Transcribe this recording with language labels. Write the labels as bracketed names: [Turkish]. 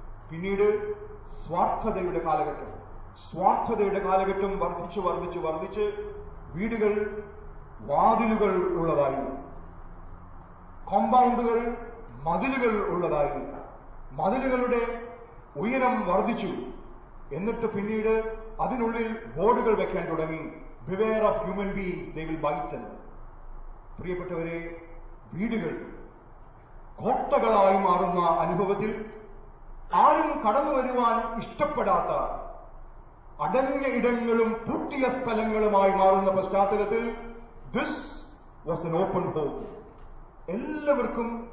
[Malayalam] പിന്നീട് സ്വാർത്ഥതയുടെ കാലഘട്ടം. സ്വാർത്ഥതയുടെ കാലഘട്ടം വർദ്ധിച്ച് വർദ്ധിച്ച് വർദ്ധിച്ച് വീടുകൾ വാതിലുകൾ ഉള്ളതായിരുന്നു, കോമ്പൗണ്ടുകൾ മതിലുകൾ ഉള്ളതായിരുന്നു. മതിലുകളുടെ ഉയരം വർദ്ധിച്ചു, എന്നിട്ട് പിന്നീട് അതിനുള്ളിൽ ബോർഡുകൾ വെക്കാൻ തുടങ്ങി. [English] Beware of human beings, they will bite them. [Malayalam] പ്രിയപ്പെട്ടവരെ, വീടുകൾ കോട്ടകളായി മാറുന്ന അനുഭവത്തിൽ ആരും കടന്നു വരുവാൻ ഇഷ്ടപ്പെടാത്ത അടഞ്ഞ ഇടങ്ങളും പൂട്ടിയ സ്ഥലങ്ങളുമായി മാറുന്ന പശ്ചാത്തലത്തിൽ [English] This was an open door. [Malayalam] എല്ലാവർക്കും